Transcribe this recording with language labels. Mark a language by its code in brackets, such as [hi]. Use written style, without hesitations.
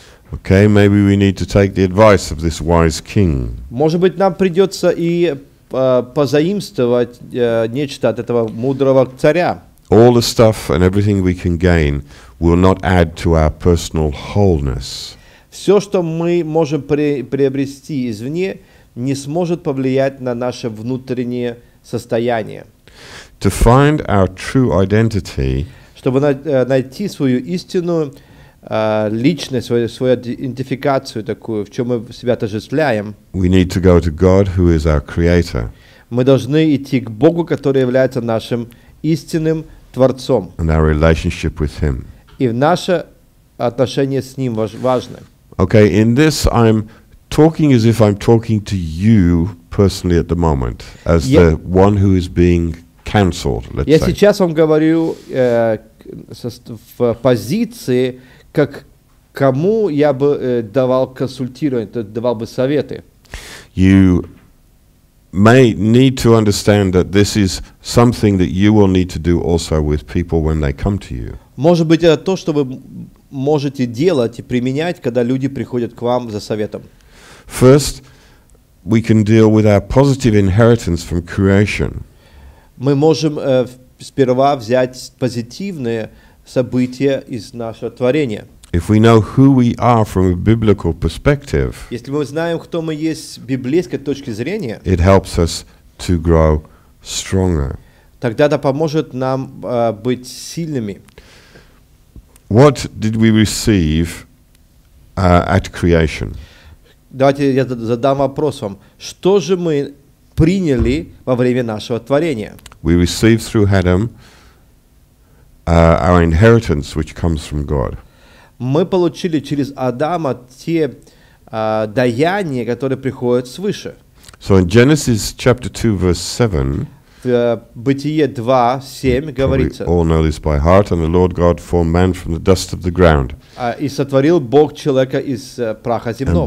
[en] Okay, maybe we need to take the advice of this wise king. [ru] Может быть, нам придется и позаимствовать нечто от этого мудрого царя. [en] All the stuff and everything we can gain will not add to our personal wholeness. [ru] Все, что мы можем приобрести извне, не сможет повлиять на наше внутреннее состояние. [en] To find our true identity. [ru] Чтобы найти свою истинную личность, свою идентификацию такую, в чем мы себя отождествляем. [en] We need to go to God, who is our creator. [ru] Мы должны идти к Богу, который является нашим истинным Творцом. [en] And our relationship with Him. [ru] И наше отношение с Ним важно. [en] Okay, in this I'm talking as if I'm talking to you personally at the moment, as the one who is being counseled, let's say. [ru] Я сейчас вам говорю в позиции, как кому я бы давал консультирование, давал бы советы. [en] You may need to understand that this is something that you will need to do also with people when they come to you. [ru] Может быть, это то, что вы можете делать и применять, когда люди приходят к вам за советом. [en] First, we can deal with our positive inheritance from creation. [ru] Мы можем сперва взять позитивные события из нашего творения. [en] If we know who we are from a biblical perspective, [ru] если мы знаем, кто мы есть с библейской точки зрения, [en] it helps us to grow stronger. [ru] Тогда это поможет нам быть сильными. [en] What did we receive at creation? [ru] Давайте я задам вопрос вам. Что же мы приняли во время нашего творения? [en] We receive through Adam our inheritance, which comes from God. [ru] Мы получили через Адама те даяния, которые приходят свыше. [en] So in Genesis chapter 2, verse 7, [ru] Бытие 2, 7 говорится, [en] we all know this by heart, and the Lord God formed man from the dust of the ground. [ru] И сотворил Бог человека из праха земного.